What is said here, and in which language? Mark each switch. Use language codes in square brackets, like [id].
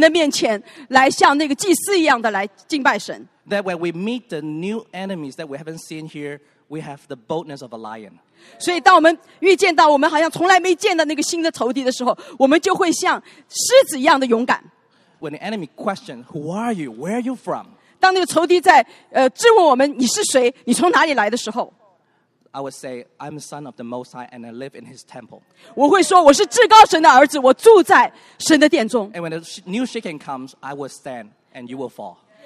[zh] 所以我们就神的灵在我们的里面成为真儿女，能够在神的面前来像那个祭司一样的来敬拜神。 [en] That when we meet the new enemies that we haven't seen here, we have the boldness of a lion. [zh] 所以当我们遇见到我们好像从来没见的那个新的仇敌的时候，我们就会像狮子一样的勇敢。 [en] When the enemy questions, who are you? Where are you from? [zh] 当那个仇敌在质问我们你是谁，你从哪里来的时候， [en] I would say I'm the son of the Most High, and I live in His temple. [zh] 我会说我是至高神的儿子，我住在神的殿中。 [en] And when the new shaking comes, I will stand, and you will fall.